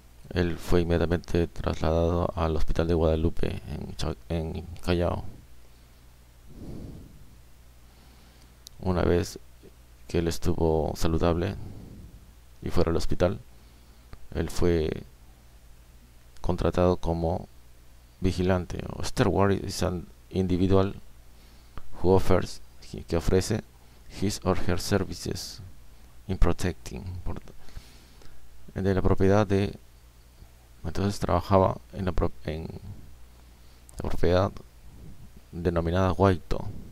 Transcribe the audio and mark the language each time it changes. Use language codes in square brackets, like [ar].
[es] Él fue inmediatamente trasladado al hospital de Guadalupe en Callao. Una vez que él estuvo saludable y fuera al hospital, él fue contratado como vigilante. [en] Steward is an individual who offers, [es] que ofrece [en] his or her services in protecting. [es] De la propiedad de. Entonces trabajaba en la propiedad denominada Guaito.